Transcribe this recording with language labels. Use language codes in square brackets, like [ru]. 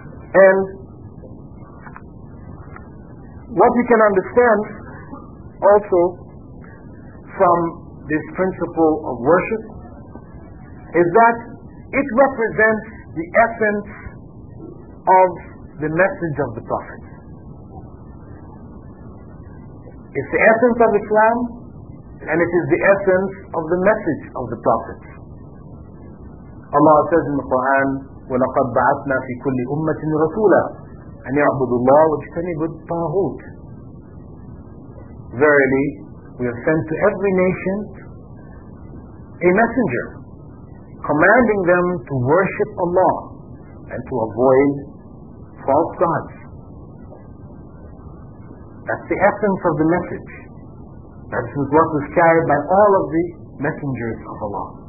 [en] And what we can understand also from this principle of worship is that it represents the essence of the message of the Prophet. It's the essence of Islam, and it is the essence of the message of the Prophet. Allah says in the Quran, [ar] وَلَقَدْ بَعَثْنَا فِي كُلِّ أُمَّةٍ رَسُولًا أَنْ يَعْبُدُ اللَّهُ وَاجْتَنِبُ الطَّاغُوتِ. [en] Verily, we have sent to every nation a messenger, commanding them to worship Allah and to avoid false gods. That's the essence of the message. That is what was carried by all of the messengers of Allah.